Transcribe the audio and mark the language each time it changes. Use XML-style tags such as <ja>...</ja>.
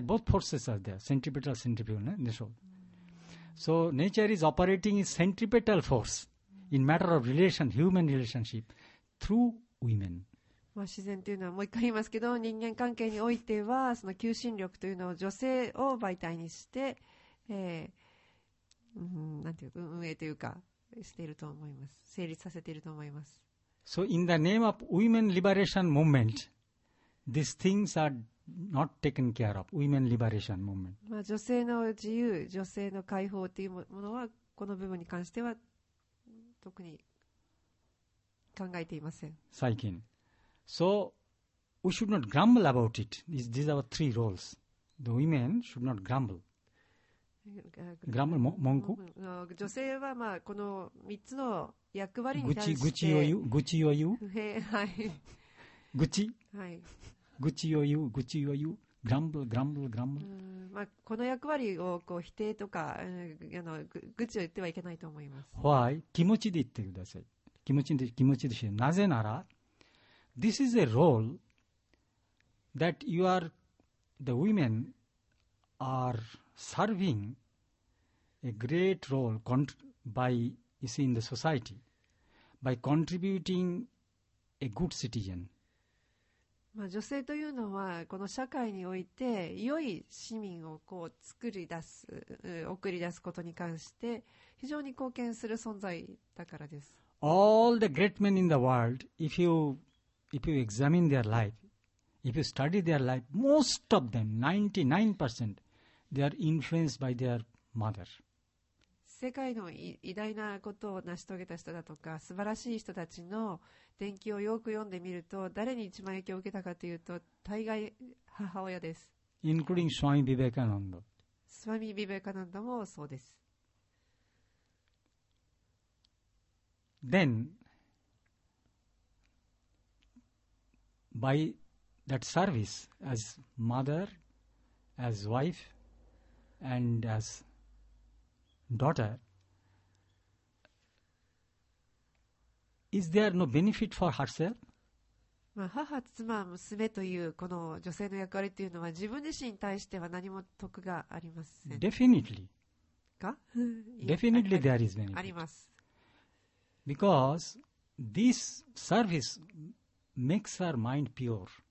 <en>Both forces are there, centripetal, centrifugal, So nature is operating its centripetal force in matter of relation, human relationship, through women.</en> <ja>まあ自然というのはもう一回言いますけど、人間関係においてはその求心力というのを女性を媒体にして、なんていうか運営というかしていると思います。成立させていると思います。</ja> <en>So in the name of women liberation movement, these things are. Not taken care of. Women liberation movement.</en> <ja>まあ女性の自由、女性の解放というものはこの部分に関しては特に考えていません。最近。</ja> <en>So we should not grumble about it. These are our three roles. The women should not grumble. Grumble,</en> <ja>文句。女性はまあこの三つの役割に対して。愚痴を言う。はい。愚痴。はい。愚痴を言う、愚痴を言う、グランブル、グランブル、グランブル。まあ、この役割をこう否定とか、愚痴を言ってはいけないと思います。</ja> <en>Why?</en> <ja>気持ちで言ってください。気持ちでして、なぜなら、</ja> <en>This is a role that you are, the women are serving a great role by, you see, in the society, by contributing a good citizen.</en> <ja>まあ、女性というのはこの社会において良い市民をこう作り出す、送り出すことに関して非常に貢献する存在だからです。</ja> <en>All the great men in the world, if you examine their life, if you study their life, most of them, 99%, they are influenced by their mother.</en> <ja>世界の偉大なことを成し遂げた人だとか素晴らしい人たちの伝記をよく読んでみると誰に一番影響を受けたかというと大概母親です。</ja> <en>including Swami Vivekananda。</en> <ja>Swami Vivekananda もそうです。</ja> <en>Then by that service as mother, as wife and as daughterIs there no benefit for herself?</en> <ja>まあ、母、妻、娘というこの女性の役割というのは自分自身に対しては何も得がありません。</ja> <en>Definitely.</en> <ja>か?</ja> <en>Definitely there is benefit.</en> <ja>あります。</ja> <en>Because this service makes our mind pure.</en>